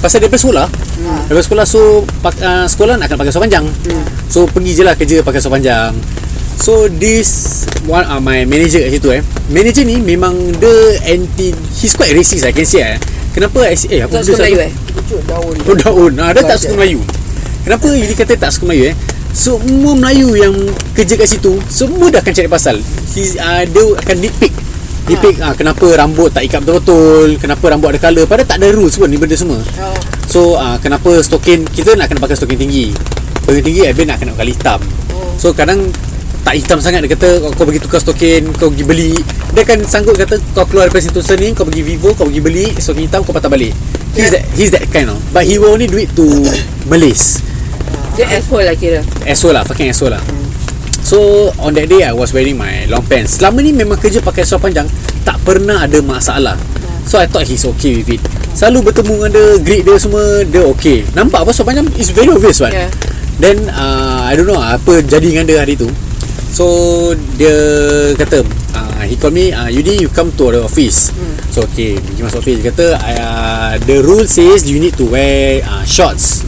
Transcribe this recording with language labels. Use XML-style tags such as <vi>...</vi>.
<ms>Pasal daripada sekolah. Daripada sekolah, so sekolah nak kena pakai seluar panjang. So pergi je lah kerja pakai seluar panjang.</ms> <en>So this one, my manager</en> <ms>kat situ,</ms> <en>manager</en> <ms>ni memang</ms> <en>the anti, he's quite racist, I can say.</en> <ms>Kenapa</ms> <en>I say,</en> <ms>aku tak suka Melayu Pucuk daun. Oh, daun. Ada belajar. Tak suka Melayu. Kenapa you kata tak suka Melayu? Semua Melayu yang kerja kat situ, semua dah akan cari pasal. Dia akan nitpick. Nitpick kenapa rambut tak ikat betul-betul, kenapa rambut ada colour. Padahal tak ada rules pun ni benda semua. So kenapa stokin, kita nak kena pakai stokin tinggi. Pakai tinggi habis nak kena pakai hitam. So kadang tak hitam sangat, dia kata kau pergi tukar stokin, kau pergi beli. Dia kan sanggup kata kau keluar dari Sentosa ni, kau pergi Vivo, kau pergi beli stokin hitam, kau patah balik.</ms> <en>He's that kind of. But he will only do it to Malays.</en> <ms>Dia asshole lah kira.</ms> <en>Asshole lah, fucking asshole lah. So on that day I was wearing my long pants.</en> <ms>Selama ni memang kerja pakai seluar panjang, tak pernah ada masalah.</ms> <en>So I thought he's okay with it.</en> <ms>Selalu bertemu dengan dia, greet dia semua, dia okay. Nampak apa seluar panjang,</ms> <en>it's very obvious one. Then I don't know</en> <ms>apa jadi dengan dia hari tu.</ms> <en>So</en> <ms>dia kata,</ms> <en>he call me, Yudi, you come to the office. So okay,</en> <ms>pergi masuk</ms> <en>office.</en> <ms>Dia kata,</ms> <en>the rule says you need to wear shorts.</en>